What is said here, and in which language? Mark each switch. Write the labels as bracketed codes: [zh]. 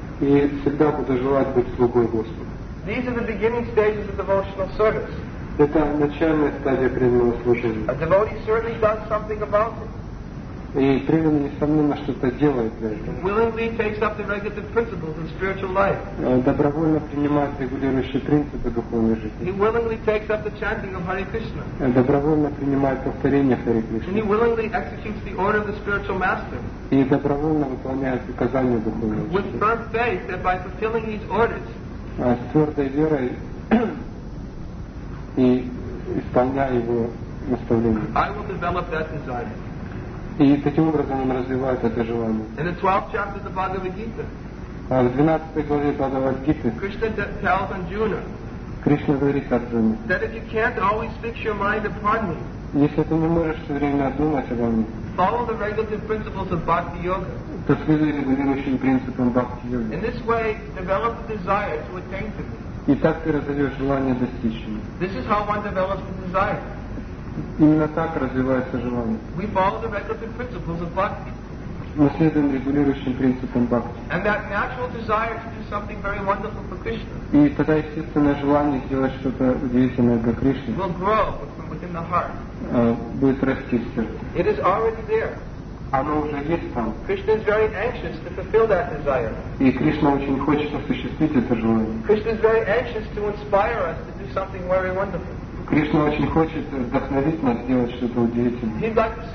[ru] И всегда буду желать быть слугой Господа. [en] These are the beginning stages of devotional service. [ru] Это начальная стадия преданного служения. [en] A devotee certainly does something about it. [ru] И преданный несомненно что-то делает для этого. [en] Willingly takes up the regulative principles of spiritual life. [ru] Добровольно принимает регулирующие принципы духовной жизни. [en] He willingly takes up the chanting of Hare Krishna. [ru] Добровольно принимает повторение Хари Кришны. [en] And he willingly executes the order of the spiritual master. [ru] И добровольно выполняет указания духовного учителя. [en] With firm faith that by fulfilling these orders. [ru] С твердой верой и исполняя его наставления. [en] I will develop that desire. [ru] И таким образом он развивает это желание. [en] In the 12th chapter of the Bhagavad Gita. [ru] В 12 главе Бхагавад Гиты. [en] Krishna tells Arjuna. [ru] Кришна говорит Арджуне. [en] That if you can't always fix your mind upon me. [ru] Если ты не можешь все время думать обо мне. [en] Follow the regulative principles of Bhakti Yoga. [ru] То следуй регулирующим принципам Бхакти Йоги. [en] In this way, develop the desire to attain to me. [ru] И так ты развиваешь желание достичь меня. [en] This is how one develops the desire. [ru] Именно так развивается желание. [en] We follow the regulative principles of bhakti. [ru] мы следуем регулирующим принципам бхакти. [en] And that natural desire to do something very wonderful for Krishna. [ru] И тогда естественное желание сделать что-то удивительное для Кришны [en] will grow from within the heart. [ru] Будет расти в сердце. [en] It is already there. [ru] Оно уже есть там. [en] Krishna is very anxious to fulfill that desire. [ru] И Кришна очень хочет осуществить это желание. [en] Krishna is very anxious to inspire us to do something very wonderful. [ru] Кришна очень хочет вдохновить нас сделать что-то удивительное.